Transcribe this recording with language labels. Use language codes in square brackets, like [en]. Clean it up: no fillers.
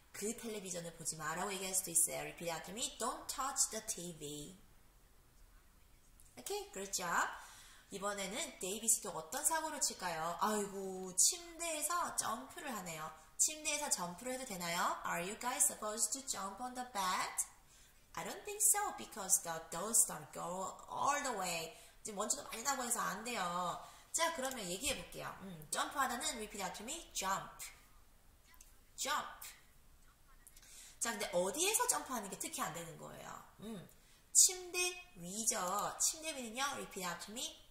[ko] 그 텔레비전을 보지 마라고 얘기할 수도 있어요. [en] Repeat after me. Don't touch the TV. Okay, great job. [ko] 이번에는 데이비스도 어떤 사고를 칠까요? 아이고, 침대에서 점프를 하네요. 침대에서 점프를 해도 되나요? [en] Are you guys supposed to jump on the bed? I don't think so because the dust don't go all the way. [ko] 지금 먼지도 많이 나고 해서 안 돼요. 자, 그러면 얘기해 볼게요. [en] 점프하다는 repeat after me. Jump. Jump. [ko] 자, 근데 어디에서 점프하는 게 특히 안 되는 거예요. 침대 위죠. 침대 위는요. [en] Repeat after me.